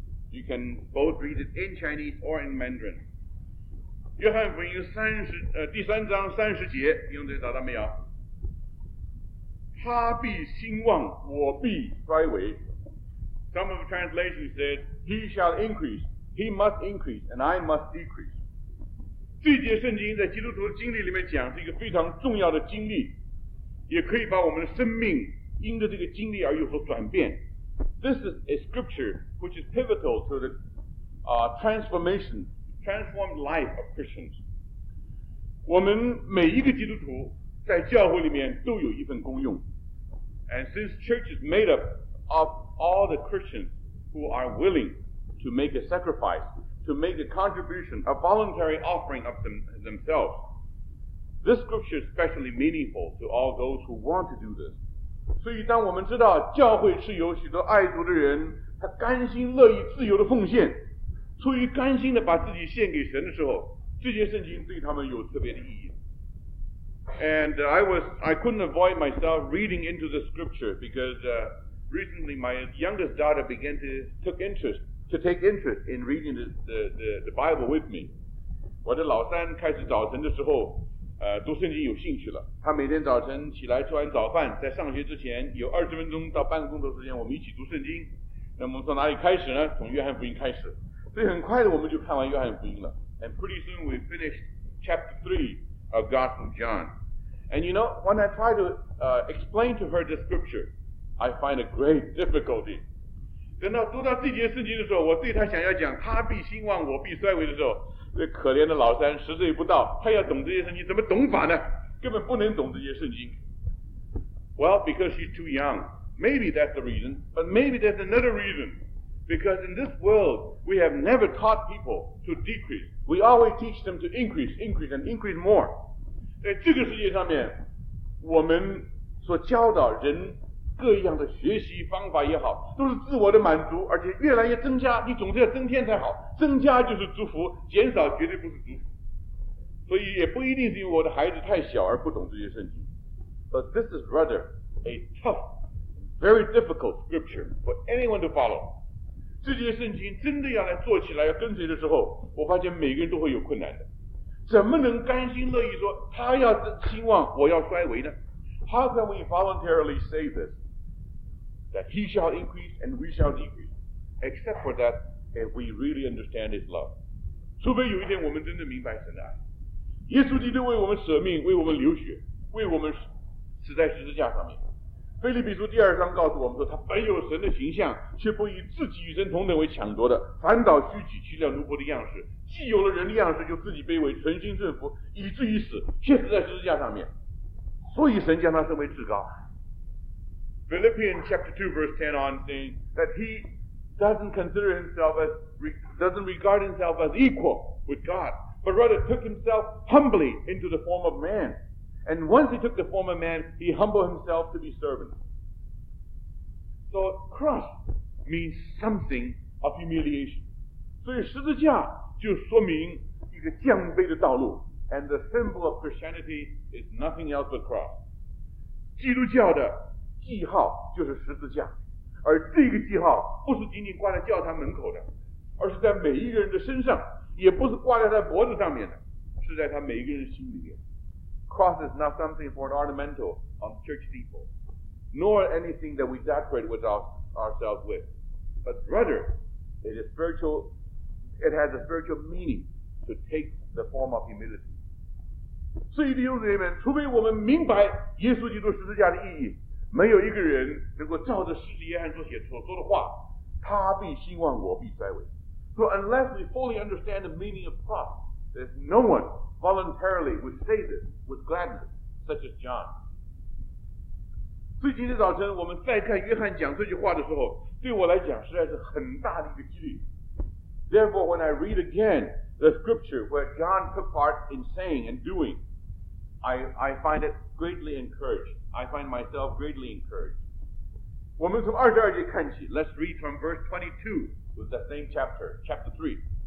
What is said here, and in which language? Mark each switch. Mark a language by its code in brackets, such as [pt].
[en] You can both read it in Chinese or in Mandarin. [zh] 约翰福音第三章三十节，弟兄姊妹找到没有？他必兴旺，我必衰微。 [en] Some of the translations said, he shall increase, he must increase, and I must decrease. [zh] 这节圣经在基督徒的经历里面讲是一个非常重要的经历，也可以把我们的生命因着这个经历而有所转变。 [en] This is a scripture which is pivotal to the transformed life of Christians. [zh] 我们每一个基督徒在教会里面都有一份功用。 [en] And since church is made up of all the Christians who are willing to make a sacrifice, to make a contribution, a voluntary offering of themselves, this scripture is especially meaningful to all those who want to do this. [zh] 所以当我们知道教会是由许多爱主的人他甘心乐意自由的奉献出于甘心的把自己献给神的时候这些圣经对他们有特别的意义 [en] And I couldn't avoid myself reading into the scripture because recently my youngest daughter began to take interest in reading the Bible with me [zh] 我的老三开始早晨的时候读圣经有兴趣了他每天早晨起来吃完早饭在上学之前有二十分钟到半个钟头时间我们一起读圣经那么从哪里开始呢从约翰福音开始所以很快的我们就看完约翰福音了 [en] And pretty soon we finished chapter 3 of Gospel of John And you know when I try to explain to her the scripture I find a great difficulty [zh] 等到读到这节圣经的时候我对她想要讲她必兴旺我必衰微的时候这可怜的老三十岁不到他要懂这些圣经怎么懂法呢根本不能懂这些圣经 [en] Well, because she's too young Maybe that's the reason But maybe there's another reason Because in this world We have never taught people to decrease We always teach them to increase and increase more [zh] 在这个世界上面我们所教导人各样的学习方法也好都是自我的满足而且越来越增加你总是要增添才好增加就是祝福减少绝对不是祝福所以也不一定是因为我的孩子太小而不懂这些圣经 [en] But this is rather a tough very difficult scripture for anyone to follow [zh] 这些圣经真的要来做起来要跟随的时候我发现每个人都会有困难的怎么能甘心乐意说他要兴旺我要衰微呢 [en] How can we voluntarily say this? That he shall increase and we shall decrease. Except for that, if we really understand his love. [zh] 除非有一天我们真的明白神的爱。耶稣基督为我们舍命，为我们流血，为我们死在十字架上面。腓立比书第二章告诉我们说，他本有神的形象，却不以自己与神同等为抢夺的，反倒虚己，去了奴仆的样式，既有了人的样式，就自己卑微，存心顺服，以至于死，却死在十字架上面。所以神将他升为至高。 [en] Philippians chapter 2 verse 10 on saying that he doesn't regard himself as equal with God, but rather took himself humbly into the form of man. And once he took the form of man, he humbled himself to be servant. So cross means something of humiliation. [zh] 所以十字架就说明一个降卑的道路。 [en] And the symbol of Christianity is nothing else but cross. [zh] 基督教的记号就是十字架，而这个记号不是仅仅挂在教堂门口的，而是在每一个人的身上，也不是挂在他脖子上面的，是在他每一个人心里面。 [en] Cross is not something for an ornamental on church steeple, nor anything that we decorate with ourselves with, but rather, it has a spiritual meaning to take. The form of humility. [zh] 所以弟兄姊妹们，除非我们明白耶稣基督十字架的意义，没有一个人能够照着使徒约翰所说的话，他必兴旺，我必衰微。 [en] So unless we fully understand the meaning of cross, there's no one voluntarily would say this with gladness, such as John. [zh] 所以今天早晨我们再看约翰讲这句话的时候，对我来讲实在是很大的一个激励。 [en] Therefore, when I read again. The scripture where John took part in saying and doing, I find it greatly encouraged. I find myself greatly encouraged. [zh] 我们从二十二节看起 [en] Let's read from verse 22 with the same chapter, chapter 3.